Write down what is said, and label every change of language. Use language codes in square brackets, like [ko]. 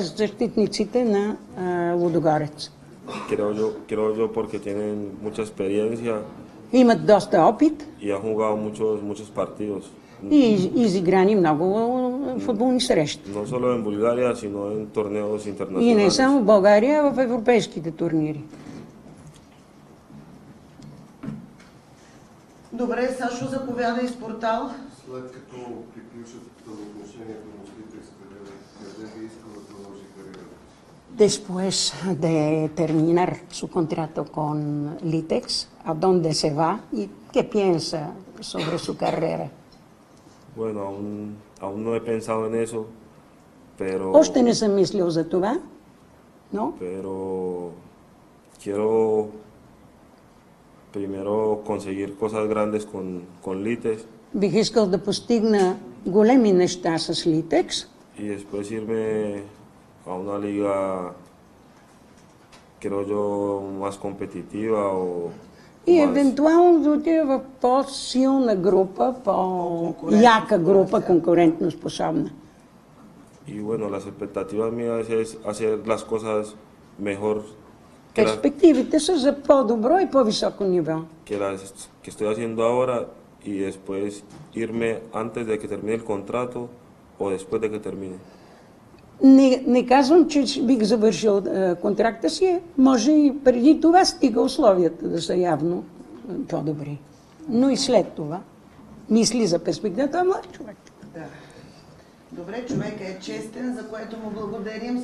[bg] защитниците на Лудогорец. [es] Creo yo porque tienen mucha experiencia. [bg] Имат доста опит. [es] Y han jugado muchos partidos. [bg] И изиграни много футболни срещи. Не само в България, но и в турнири международни. И не само в България, а в европейските турнири. Добре, Сашо, заповядай с портал. След като приключат отношението на Спитерска, къде би искал да продължи кариерата? [es] Después de terminar su contrato con Litex, ¿a dónde se va y qué piensa sobre su carrera? Bueno, aún no he pensado en eso, pero... [bg] Още не съм мислил за това, но... [es] Pero quiero primero conseguir cosas grandes con Litex. [bg] Бих искал да постигна големи неща с Litex. [es] Y después irme a una liga, creo yo, más competitiva o... [bg] И евентуално да отида в по-силна група, по-яка група, конкурентно способна. [es] И, bueno, las expectativas mías es hacer las cosas mejor. [bg] Перспективите са за по-добро и по-високо ниво. [es] Que estoy haciendo ahora y después irme antes de que termine el contrato o después de que termine. [bg] Не казвам, че бих завършил контракта си. Може и преди това стига условията да са явно по-добри. Но и след това мисли за перспектива. Той е млад човек. Да. Добре, човекът е честен, за което му благодарим.